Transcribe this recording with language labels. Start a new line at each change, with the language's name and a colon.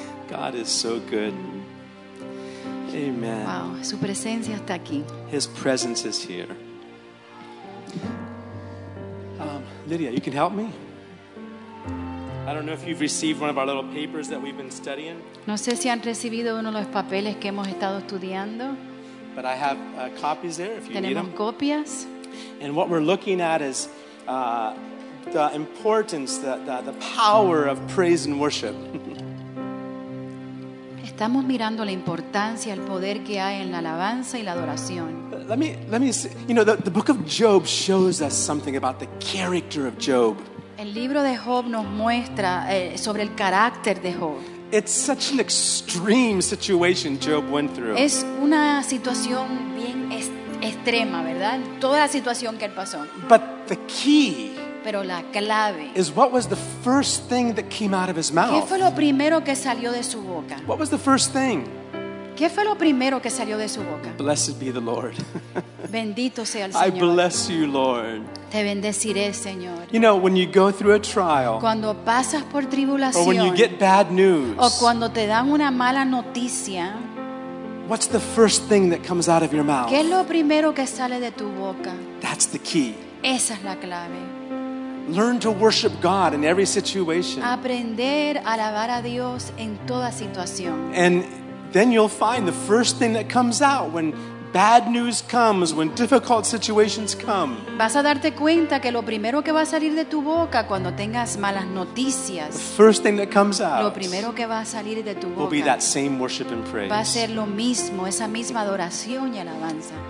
English: God is so good. Amen.
Spanish: Wow, su presencia está aquí.
English: His presence is here. Lydia, you can help me. I don't know if you've received one of our little papers that we've been studying.
Spanish: No sé si han recibido uno de los papeles que hemos estado estudiando.
English: But I have copies there if you
Spanish: Tenemos Tenemos copias.
English: And what we're looking at is the importance, the power of praise and worship.
Spanish: Estamos mirando la importancia, el poder que hay en la alabanza y la adoración.
English: Let me see. You know, the book of Job shows us something about the character of Job.
Spanish: El libro de Job nos muestra sobre el carácter de Job.
English: It's such an extreme situation Job went through.
Spanish: Es una situación bien extrema, ¿verdad? Toda la situación que él pasó.
English: But the key
Spanish: Pero la clave
English: is what was the first thing that came out of his mouth.
Spanish: ¿Qué fue lo primero que salió de su boca?
English: What was the first thing?
Spanish: ¿Qué fue lo primero que salió de su boca?
English: Blessed be the Lord.
Spanish: Bendito sea el Señor.
English: I bless you, Lord.
Spanish: Te bendeciré, Señor.
English: You know, when you go through a trial,
Spanish: cuando pasas por tribulación,
English: or when you get bad news,
Spanish: o cuando te dan una mala noticia,
English: what's the first thing that comes out of your mouth?
Spanish: ¿Qué es lo primero que sale de tu boca?
English: That's the key.
Spanish: Esa es la clave.
English: Learn to worship God in every situation.
Spanish: Aprender a alabar a Dios en toda situación.
English: And then you'll find the first thing that comes out when bad news comes, when difficult situations come.
Spanish: Vas a darte cuenta que lo primero que va a salir de tu boca cuando tengas malas noticias.
English: The first thing that comes out.
Spanish: Lo primero que va a salir de tu boca.
English: Will be that same worship and praise.
Spanish: Va a ser lo mismo, esa misma adoración y alabanza.